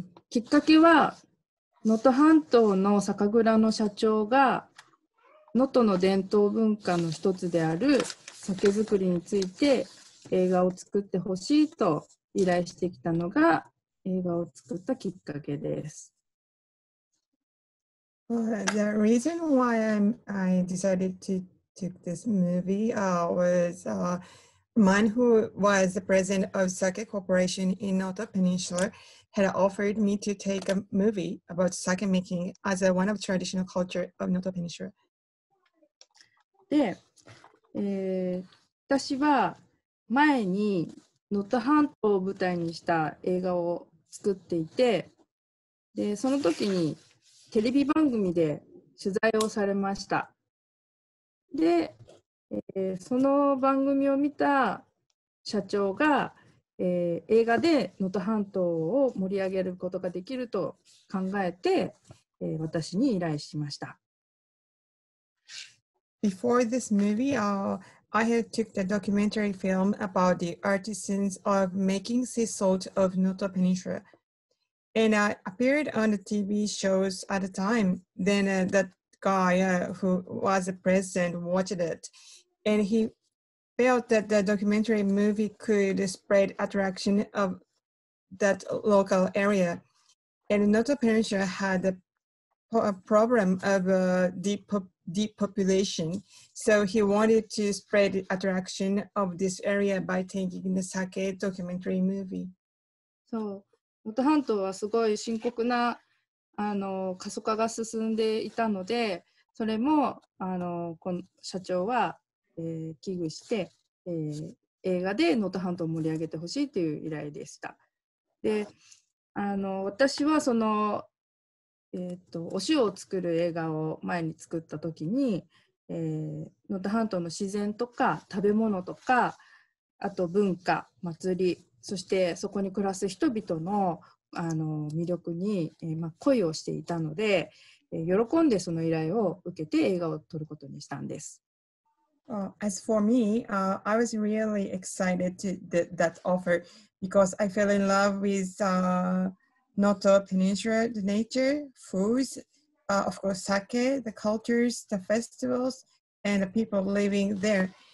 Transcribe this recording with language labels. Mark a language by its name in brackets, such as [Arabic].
[Japanese] きっかけは能登半島の酒蔵の社長が能登の伝統文化の一つである酒造りについて映画を作ってほしいと依頼してきたのが映画を作ったきっかけです。 [English] The reason why I decided to this movie was a man who was the president of Sake Corporation in Noto Peninsula had offered me to take a movie about sake making as one of the traditional culture of Noto Peninsula. [Japanese] で、私は前に能登半島を舞台にした映画を作っていて、で、その時にテレビ番組で取材をされました。で、その番組を見た社長が、映画で能登半島を盛り上げることができると考えて、私に依頼しました。 [English] Before this movie, I had took the documentary film about the artisans of making sea salt of Noto Peninsula. And I appeared on the TV shows at the time. Then that guy who was the president watched it, and he felt that the documentary movie could spread attraction of that local area. And Noto Peninsula had a problem of deep population, so he wanted to spread attraction of this area by taking the sake documentary movie. [Japanese] So Noto 半島はすごい深刻な過疎化が進んでいたので、それもこの社長は、危惧して、映画で能登半島を盛り上げてほしいという依頼でした。で、私はその、お塩を作る映画を前に作った時に、能登半島の自然とか食べ物とか、あと文化、祭り、そしてそこに暮らす人々の魅力に、恋をしていたので、喜んでその依頼を受けて映画を撮ることにしたんです。 [English] As for me, I was really excited to that offer because I fell in love with Noto Peninsula, the nature, foods, of course sake, the cultures, the festivals, and the people living there.